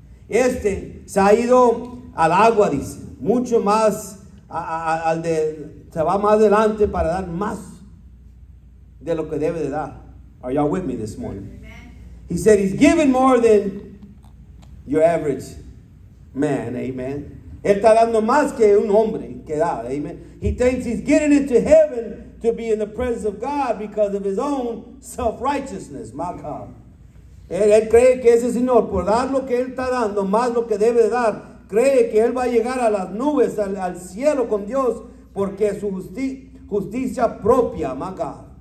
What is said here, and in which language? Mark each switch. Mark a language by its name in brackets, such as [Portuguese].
[Spanish] Este se ha ido al agua, dice, mucho más al de... Se va más adelante para dar más de lo que debe de dar. [English] Are y'all with me this morning? Amen. He said he's giving more than your average man. Amen. [Spanish] Él está dando más que un hombre que da. [English] Amen. He thinks he's getting into heaven to be in the presence of God because of his own self-righteousness. My God. [Spanish] Él cree que ese señor, por dar lo que él está dando, más lo que debe de dar, cree que él va a llegar a las nubes, al cielo con Dios, porque su justicia propia, [English] my God.